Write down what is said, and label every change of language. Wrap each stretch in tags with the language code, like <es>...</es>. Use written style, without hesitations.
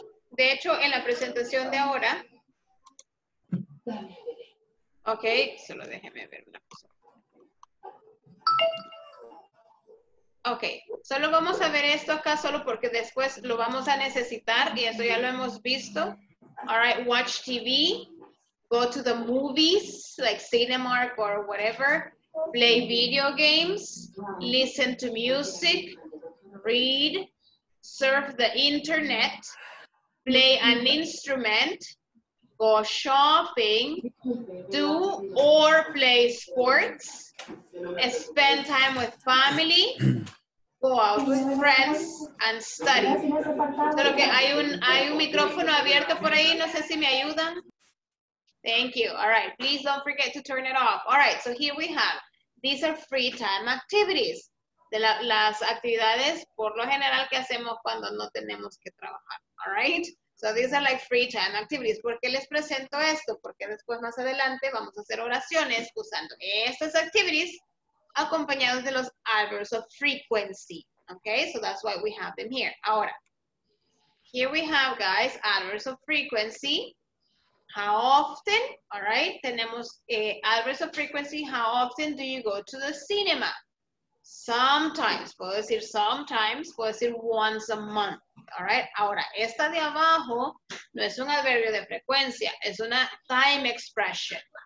<es>De hecho, en la presentación de ahora. Ok, solo déjeme ver una cosa. Ok, solo vamos a ver esto acá solo porque después lo vamos a necesitar y eso ya lo hemos visto.</es> <en>All right, watch TV, go to the movies, like Cinemark or whatever, play video games, listen to music, read, surf the internet, play an instrument, go shopping, do or play sports, spend time with family, go out with friends and study.</en> <es>Solo que hay un micrófono abierto por ahí. No sé si me ayudan.</es> <en>Thank you. All right. Please don't forget to turn it off. All right. So here we have. These are free time activities.</en> <es>Las actividades por lo general que hacemos cuando no tenemos que trabajar.</es> <en>All right. So these are like free time activities.</en> <es>¿Por qué les presento esto? Porque después más adelante vamos a hacer oraciones usando estas activities acompañados de los adverbs of frequency.</es> <en>Okay, so that's why we have them here. Ahora, here we have, guys, adverbs of frequency. How often, all right,</en> <es>tenemos</es> <en>adverbs of frequency. How often do you go to the cinema? Sometimes,</en> <es>puedo decir</es> <en>sometimes, puedo decir once a month. All right,</en> <es>ahora, esta de abajo no es un adverbio de frecuencia, es una time expression.</es>